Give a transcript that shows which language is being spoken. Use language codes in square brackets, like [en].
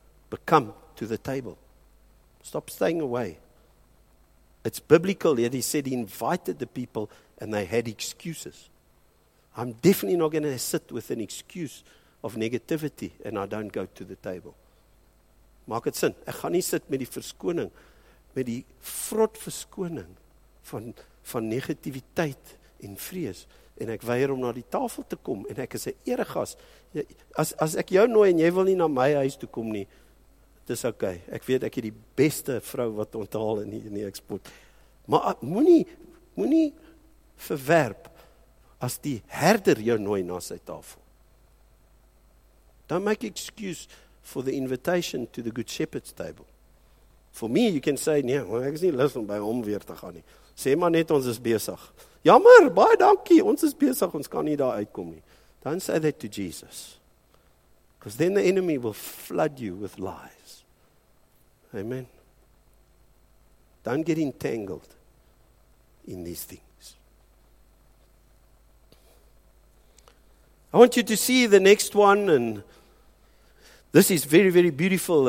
[en] But come to the table. Stop staying away. It's biblical, yet he said he invited the people and they had excuses. I'm definitely not going to sit with an excuse of negativity and I don't go to the table. [af] Maak het sin. Ek gaan nie sit met die verskoning, met die vrot verskoning van negativiteit en vrees. En ek weier om na die tafel te kom, en ek is 'n eregas. As ek jou nooi, en jy wil nie na my huis toe kom nie, het is oké. Okay. Ek weet, ek het die beste vrou wat onthaal in die export. Maar moenie verwerp, as die herder jou nooi na sy tafel. [en] Don't make excuse for the invitation to the Good Shepherd's table. For me, you can say, [af] nee, ek is nie lus om by hom weer te gaan nie. sê maar net ons is besig. Jammer, baie dankie, ons is besig, ons kan nie daar uitkom nie. [en] Dan say that to Jesus. Because then the enemy will flood you with lies. Amen. Don't get entangled in these things. I want you to see the next one, and this is very, very beautiful.